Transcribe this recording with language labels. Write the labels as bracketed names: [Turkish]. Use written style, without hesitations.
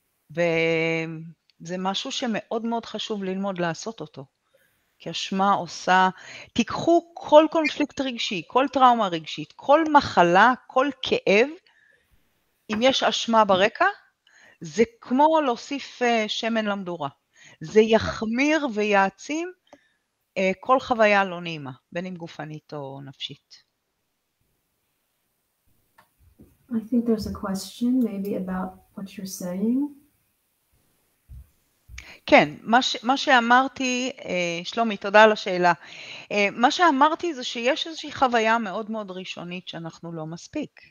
[Hebrew] וזה משהו שמאוד מאוד חשוב ללמוד לעשות אותו, כי אשמה עושה, תיקחו כל קונפליקט רגשי, כל טראומה רגשית, כל מחלה, כל כאב, אם יש אשמה ברקע, זה כמו להוסיף שמן למדורה. זה יחמיר ויעצים כל חוויה לא נעימה, בין אם גופנית או נפשית. [English] I think there's a question maybe about what you're saying. [Hebrew] כן, מה שאמרתי, שלומי, תודה על השאלה. מה שאמרתי זה שיש איזושהי חוויה מאוד מאוד ראשונית שאנחנו לא מספיק.